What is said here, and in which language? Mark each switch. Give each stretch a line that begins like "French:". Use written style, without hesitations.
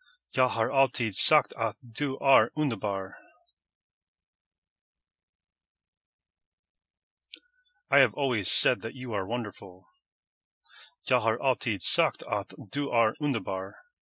Swedish: Jag har alltid sagt att du är underbar.
English: I have always said that you are wonderful.
Swedish: Jag har alltid sagt att du är underbar.